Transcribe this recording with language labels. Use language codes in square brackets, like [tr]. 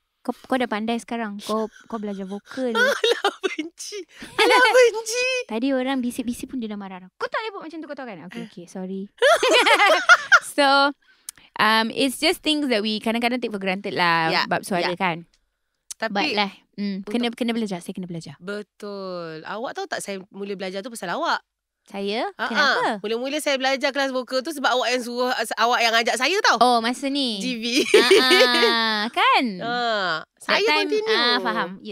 [ms] Kau dah pandai sekarang. Kau belajar vokal. Alah benci. Tadi orang bisik-bisik pun dia dah marah. Kau tak boleh buat macam tu, kau tahu kan? [en] Okay, sorry. So, it's just things that we [ms] kadang-kadang [en] take for granted lah. [ms] Bab suara kan. Tapi, but lah. Kena belajar. Saya kena belajar. Betul. Awak tahu tak saya mula belajar tu pasal awak? Saya? Kenapa? Mula-mula saya belajar kelas vokal tu sebab awak yang suruh, awak yang ajak saya tau. Oh, masa ni? GV. Kan? Saya time, continue. Faham.